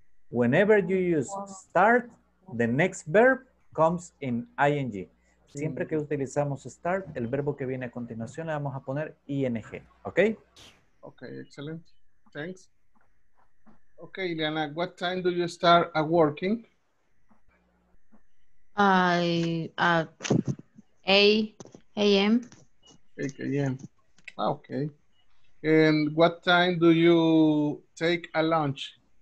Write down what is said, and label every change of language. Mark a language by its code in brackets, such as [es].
[en] Whenever you use start, the next verb comes in ing. [es] Siempre que utilizamos start, el verbo que viene a continuación le vamos a poner ing. ¿Ok? Ok, excelente. Thanks. [en] Ok, Ileana, what time do you start at working? At 8 a.m. 8 a.m. Ok. And what time do you take a lunch?